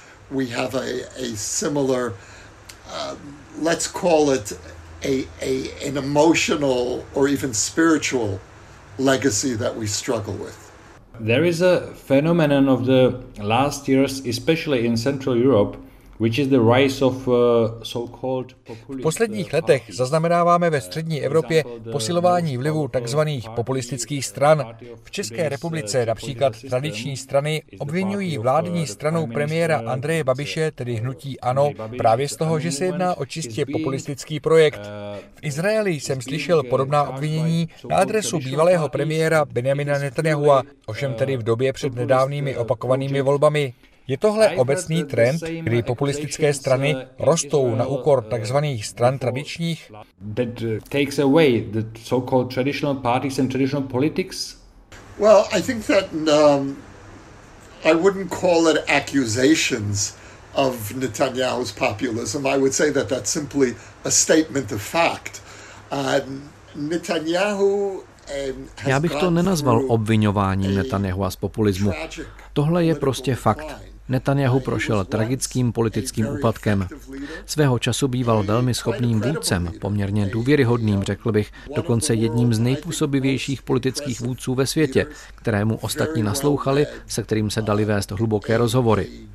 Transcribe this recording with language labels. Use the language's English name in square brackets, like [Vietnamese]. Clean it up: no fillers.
[English] We have a similar, let's call it an emotional or even spiritual legacy that we struggle with. There is a phenomenon of the last years, especially in Central Europe, which is the rise of so-called populist. [Czech] V posledních letech zaznamenáváme ve střední Evropě posilování vlivu takzvaných populistických stran. V České republice například tradiční strany obvinují vládní stranu premiéra Andreje Babiše, tedy hnutí ANO, právě z toho, že se jedná o čistě populistický projekt. V Izraeli jsem slyšel podobná obvinění na adresu bývalého premiéra Benjamina Netanyahua, ovšem tedy v době před nedávnými opakovanými volbami. Je tohle obecný trend, kdy populistické strany rostou na úkor takzvaných stran tradičních? [English] That takes away the so-called traditional parties and traditional politics? Well, I think that I wouldn't call it accusations of Netanyahu's populism. I would say that that's simply a statement of fact. Netanyahu. [Czech] Já bych to nenazval obviňováním Netanyahua z populismu. Tohle je prostě fakt. Netanyahu prošel tragickým politickým úpadkem. Svého času býval velmi schopným vůdcem, poměrně důvěryhodným, řekl bych, dokonce jedním z nejpůsobivějších politických vůdců ve světě, kterému ostatní naslouchali, se kterým se dali vést hluboké rozhovory.